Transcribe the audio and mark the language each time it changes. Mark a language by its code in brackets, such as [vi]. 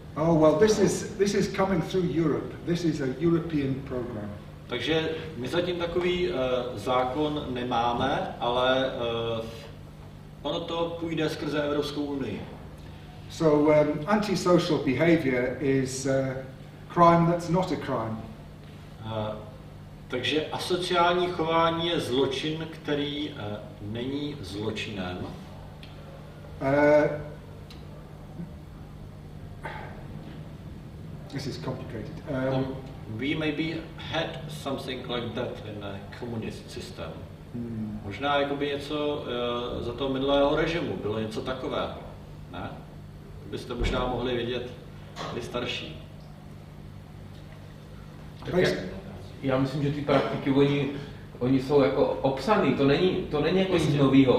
[en] Oh well, this is coming through Europe. This is a European program. [cs] Takže my zatím takový zákon nemáme, ale ono to půjde skrze Evropskou unii. [en] So antisocial behavior is crime that's not a crime. [cs] Takže asociální chování je zločin, který není zločinem. [en] This is complicated. We maybe had something like that in a communist system. [cs] Možná jakoby něco za toho minulého režimu, bylo něco takového, ne? Byste možná mohli vědět, vy starší. Já myslím, že ty praktiky, oni jsou jako opsaný, to není jako nic novýho.